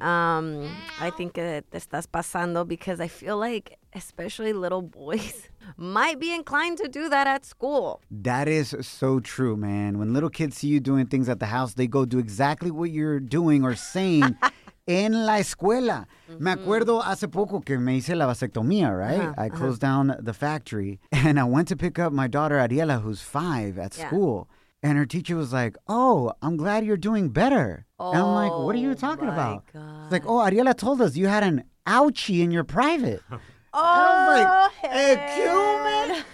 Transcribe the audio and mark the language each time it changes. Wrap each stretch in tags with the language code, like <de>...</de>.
<en>I think</en> <es>te estás pasando</es> <en>because I feel like especially little boys might be inclined to do that at school. That is so true, man. When little kids see you doing things at the house, they go do exactly what you're doing or saying</en> <es>en la escuela. Mm-hmm. Me acuerdo hace poco que me hice la vasectomía, right?</es> <en>Uh-huh. I closed down the factory and I went to pick up my daughter, Ariela, who's 5 at school. And her teacher was like, oh, I'm glad you're doing better. Oh, and I'm like, what are you talking about? God. Like, oh, Ariela told us you had an ouchie in your private. Oh, I was like, hey, Cuban.</en>